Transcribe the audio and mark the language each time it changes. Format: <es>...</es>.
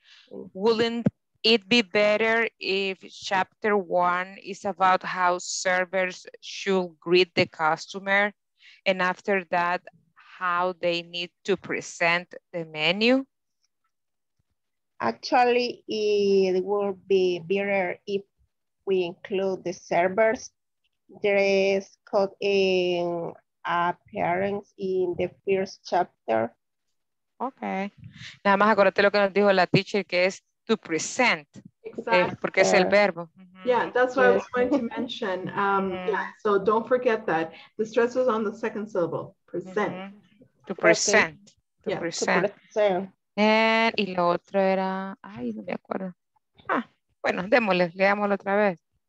<en>Wouldn't it be better if chapter one is about how servers should greet the customer, and after that, how they need to present the menu? Actually, it would be better if we include the servers' dress code and appearance in the first chapter. Okay.</en> <es>Nada más acuérdate lo que nos dijo la teacher, que es to present.</es> <en>Exactly.</en> <es>Porque es el verbo. Mm-hmm.</es> <en>Yeah, that's what I was going to mention. Yeah, so don't forget that. The stress is on the second syllable, present. Mm-hmm.</en> <es>To present. And, y lo otro era, ay, no me acuerdo. Ah, bueno, démosle, leámoslo otra vez.</es>